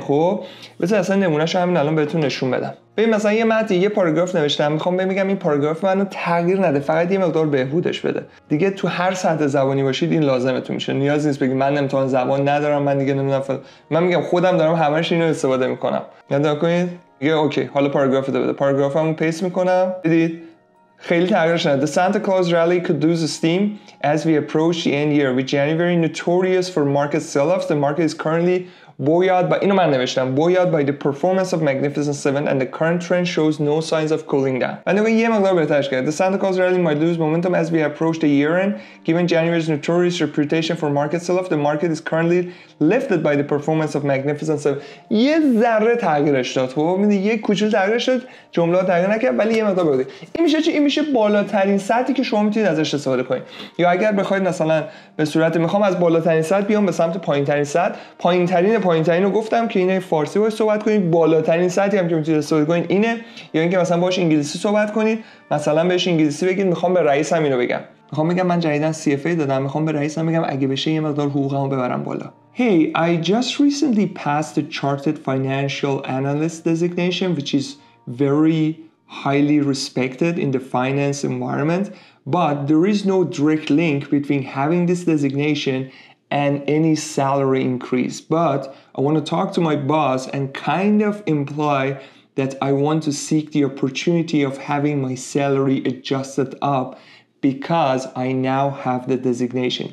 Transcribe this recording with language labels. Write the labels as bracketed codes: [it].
[fa] خب بذار اصلا نمونهشو همین الان بهتون نشون بدم. ببین مثلا یه متن، یه پاراگراف نوشتم، میخوام بگم این پاراگراف منو تغییر نده، فقط یه مقدار بهبودش بده. دیگه تو هر سطح زبانی باشید این لازمتون میشه. نیاز نیست بگید من امتحان زبان ندارم، من دیگه نمیدونم. من میگم خودم دارم همش اینو استفاده میکنم. نگاه کنید، میگه اوکی حالا پاراگراف رو بده، پاراگرافمو پیست میکنم. دیدید خیلی تغییرش نده. [en] The Santa Claus rally could lose steam as we approach the end year, with January notorious for market sell-offs. The market is currently Buoyed by, [fa] اینو من نوشتم, [en] buoyed by the performance of Magnificent Seven and the current trend shows no signs of cooling down. [fa] من دوباره یه مقدار بهترش کرد. [en] The Santa Claus rally might lose momentum as we approach the year end. Given January's notorious reputation for market sell-off, the market is currently lifted by the performance of Magnificent Seven. [fa] یه ذره تغییرش داد. خب میده یه کوچول تغییرش داد. جمله تغییر نکرد ولی یه مقدار بوده. این میشه چی؟ این میشه بالاترین سطحی که شما میتونید ازش استفاده کنید. یا اگر بخواید مثلا به صورت میخوام از بالاترین سطح بیام به سمت پایینترین سطح. پایین‌ترین رو گفتم که اینه فارسی باش صحبت کنید. بالاترین سطحی هم که میتونید استفاده کنید اینه. یا اینکه مثلا باش انگلیسی صحبت کنید. مثلا بهش انگلیسی بگید میخوام به رئیسم اینو بگم. میخوام بگم من جدیداً CFA دادم. میخوام به رئیسم بگم اگه بشه یه مقدار حقوقمو ببرم بالا. [en] Hey, I just recently passed the chartered financial analyst designation, which is very highly respected in the finance environment, but there is no direct link between having this designation and any salary increase, but I want to talk to my boss and kind of imply that I want to seek the opportunity of having my salary adjusted up because I now have the designation.